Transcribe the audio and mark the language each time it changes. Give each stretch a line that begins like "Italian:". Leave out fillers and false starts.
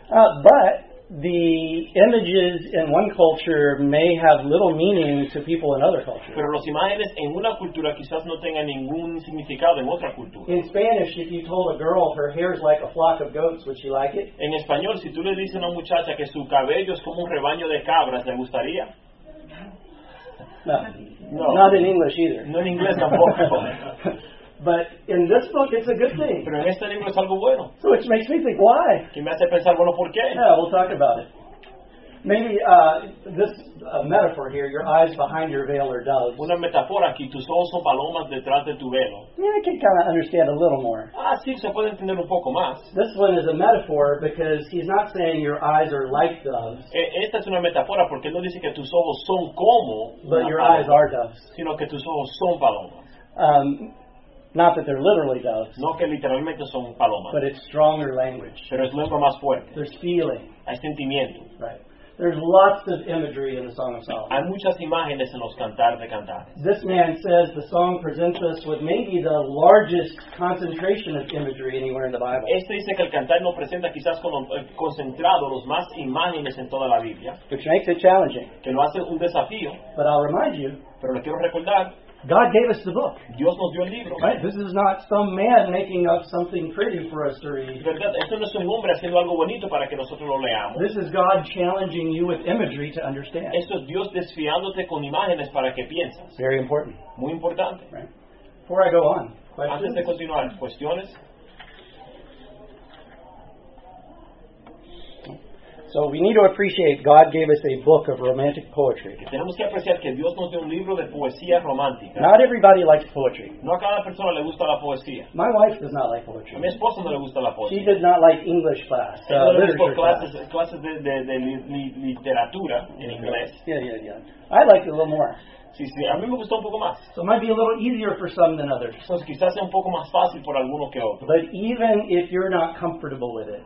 English: But the images in one culture may have little meaning to people in other cultures.
Spanish: Pero las imágenes en una cultura quizás no tengan ningún significado en otra cultura.
English: In Spanish, if you told a girl her hair is like a flock of goats, would she like it?
Spanish: En español, si tú le dices a una muchacha que su cabello es como un rebaño de cabras, ¿le gustaría?
English: No. Not in English either.
Spanish: No en inglés tampoco.
English: But in this book, it's a good thing.
Spanish: Pero en este libro es algo bueno.
English: So which makes me think, why?
Spanish: Que me hace pensar, bueno, ¿por qué?
English: Yeah, we'll talk about it. Maybe this metaphor here, your eyes behind your veil are doves.
Spanish: Una metáfora aquí, tus ojos son palomas detrás de tu velo.
English: Yeah, I can kind of understand a little more.
Spanish: Ah, sí, se puede entender un poco más.
English: This one is a metaphor because he's not saying your eyes are like doves.
Spanish: Esta es una metáfora porque no dice que tus ojos son como.
English: But your eyes are doves.
Spanish: Sino que tus ojos son palomas.
English: Not that they're literally doves.
Spanish: No que literalmente son palomas.
English: But it's stronger language.
Spanish: Pero es lengua más fuerte.
English: There's feeling.
Spanish: Hay sentimiento.
English: Right. There's lots of imagery in the Song of Solomon.
Spanish: Hay muchas imágenes en los Cantares de Cantares.
English: This man says the song presents us with maybe the largest concentration of imagery anywhere in the Bible.
Spanish: Este dice que el cantar nos presenta quizás como concentrado los más imágenes en toda la Biblia.
English: Which makes it challenging.
Spanish: Que lo hace un desafío.
English: But I'll remind you.
Spanish: Pero le quiero recordar.
English: God gave us the book.
Spanish: Dios nos dio el libro.
English: Right? This is not some man making up something pretty for us to read.
Spanish: ¿Verdad? Esto no es un hombre haciendo algo bonito para que nosotros lo leamos.
English: This is God challenging you with imagery to understand.
Spanish: Esto es Dios desafiándote con imágenes para que pienses.
English: Very important.
Spanish: Muy importante.
English: Right? Before I go on, questions?
Spanish: Antes de continuar, ¿cuestiones?
English: So we need to appreciate God gave us a book of romantic poetry.
Spanish: Tenemos que apreciar que Dios nos dio un libro de poesía romántica.
English: Not everybody likes poetry.
Spanish: No a cada persona le gusta la poesía.
English: My wife does not like poetry.
Spanish: A mi esposa no le gusta la poesía.
English: She did not like English class.
Spanish: Ella no le gustó clases de literatura en inglés.
English: Yeah. I like it a little more.
Spanish: Sí, a mí me gustó un poco más.
English: So it might be a little easier for some than others.
Spanish: Entonces, quizás sea un poco más fácil por alguno que otro.
English: But even if you're not comfortable with it,